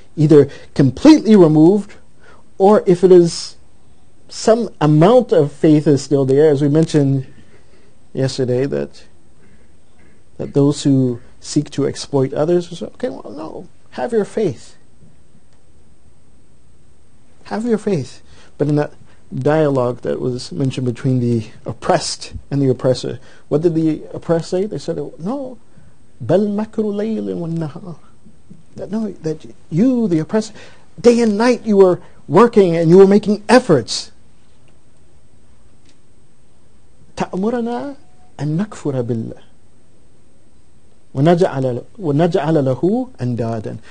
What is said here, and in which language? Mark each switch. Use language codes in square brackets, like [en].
[en] Either completely removed, or if it is some amount of faith is still there, as we mentioned yesterday, that those who seek to exploit others, have your faith. Have your faith. But in that dialogue that was mentioned between the oppressed and the oppressor, what did the oppressed say? They said, no, [ar] بَلْ مَكْرُ لَيْلٍ وَالنَّهَارِ. [en] That you, the oppressor, day and night you were working and you were making efforts. [ar] تَأْمُرَنَا أَن نَكْفُرَ بِاللَّهِ وَنَجْعَلَ لَهُ أَنْدَادًا.